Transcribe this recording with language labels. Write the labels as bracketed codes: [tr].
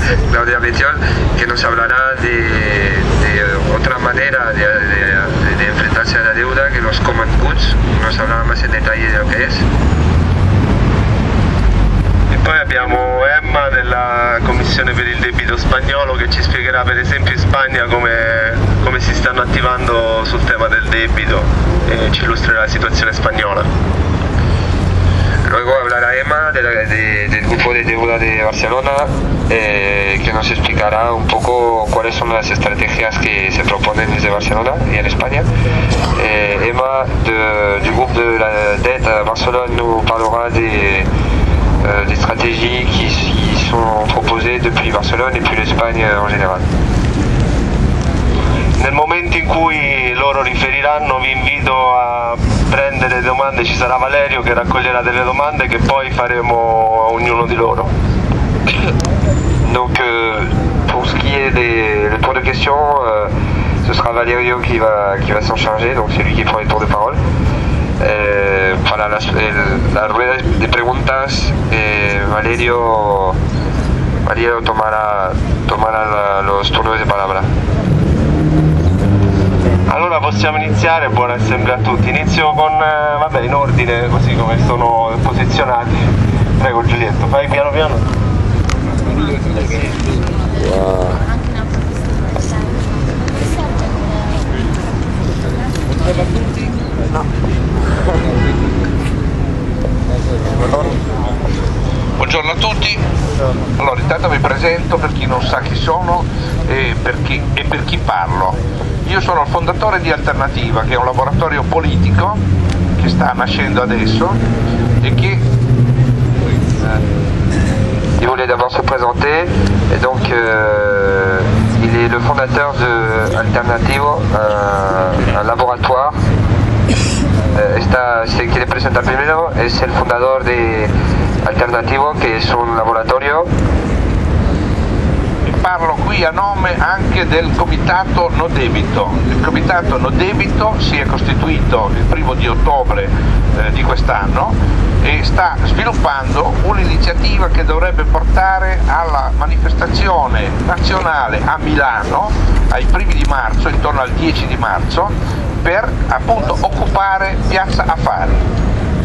[es] Claudia Bettiol, que nos hablará de otra manera de enfrentarse a la deuda que los common goods, nos hablará más en detalle de lo que es. [it] Poi abbiamo Emma della Commissione connessione per il debito spagnolo, che ci spiegherà per esempio in Spagna come si stanno attivando sul tema del debito, e ci illustrerà la situazione spagnola. [es] Luego hablará Emma del grupo de deuda de Barcelona, que nos explicará un poco cuáles son las estrategias que se proponen desde Barcelona y en España. [fr] Emma du groupe de la dette Barcelone nous parlera des stratégies qui sont proposées depuis Barcelone et puis l'Espagne en général. [it] Nel momento in cui loro riferiranno, vi invito a prendere domande, ci sarà Valerio che raccoglierà delle domande che poi faremo a ognuno di loro. [fr] Donc pour ce qui est le tour de questions, ce sera Valerio qui va s'en charger, donc c'est lui qui prend le tour de parole. [es] Para la rueda de preguntas, Valerio tomará los turnos de palabra. [it] Allora possiamo iniziare, buona assemblea a tutti. Inizio con, vabbè, in ordine, così come sono posizionati. Prego Giulietto, fai piano piano. Buongiorno a tutti. Allora intanto mi presento per chi non sa chi sono e per chi parlo. Io sono il fondatore di Alternativa, che è un laboratorio politico che sta nascendo adesso e che... [fr] Il voulait d'abord se présenter, et donc il est le fondateur de Alternativo, un laboratoire. [es] Se quiere presentar primero, es el fundador de Alternativo, que es un laboratorio. [it] Parlo qui a nome anche del Comitato No Debito. Il Comitato No Debito si è costituito il 1° di ottobre di quest'anno e sta sviluppando un'iniziativa che dovrebbe portare alla manifestazione nazionale a Milano ai 1° di marzo, intorno al 10 di marzo, per appunto occupare Piazza Affari.